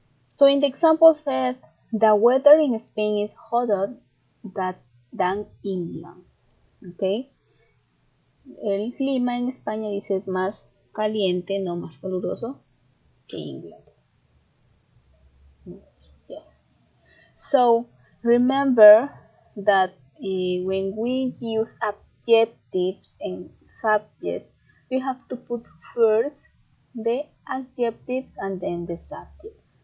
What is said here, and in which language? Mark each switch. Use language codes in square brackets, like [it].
[en] So in the example said, the weather in Spain is hotter than England. Okay. [es] El clima en España dice es más caliente, no más caluroso que Inglaterra. [en] Yes. So, remember that when we use adjectives and subject, we have to put first the adjectives and then the subject.